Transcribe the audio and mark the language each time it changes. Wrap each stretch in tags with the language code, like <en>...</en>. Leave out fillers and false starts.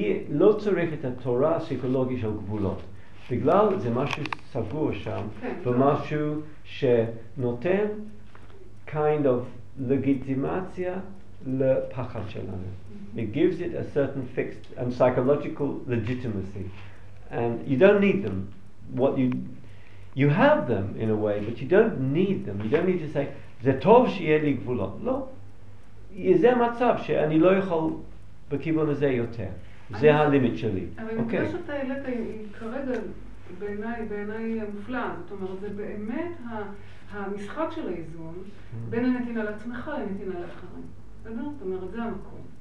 <he>לא צריך את התורה הפסיכולוגית של גבולות. בגלל זה משהו סגור שם, ומשהו שנותן</he> <en>kind of legitimacy</en> <he>לפחד שלנו.</he> <en>It gives it a certain fixed and psychological legitimacy. and you don't need them. What you have them in a way, but you don't need them. You don't need to say</en> <he>זה טוב שיהיה לי גבולות. לא, זה המצב שאני לא יכול בכיוון הזה יותר. זה הלימיט שלי. אבל אני חושב שאתה העלית כרגע בעיניי מופלא. זאת אומרת, זה באמת המשחק של האיזון בין הנתינה לעצמך לנתינה לאחרים. בסדר? זאת אומרת, זה המקום.</he>